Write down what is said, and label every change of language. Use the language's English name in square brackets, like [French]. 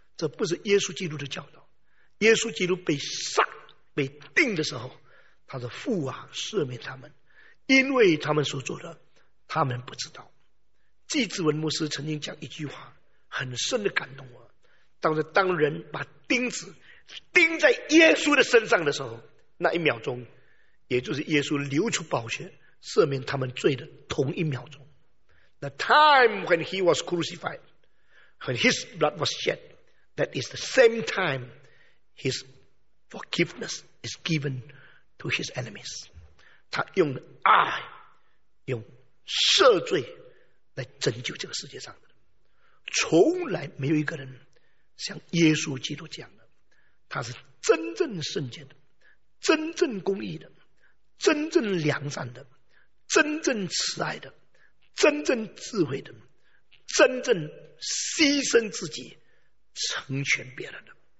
[Chinese] 这不是耶稣基督的教导。耶稣基督被杀被钉的时候，他说：“父啊，赦免他们，因为他们所做的他们不知道。” 季志文牧师曾经讲一句话很深的感动我，当时当人把钉子钉在耶稣的身上的时候，那一秒钟，也就是耶稣流出宝血赦免他们罪的同一秒钟。 [English] The time when he was crucified, when his blood was shed, that is the same time his forgiveness is given to his enemies. [Chinese] 他用爱、用赦罪来拯救这个世界上的人。从来没有一个人像耶稣基督这样的，他是真正圣洁的，真正公义的，真正良善的，真正慈爱的，真正智慧的，真正牺牲自己成全别人的。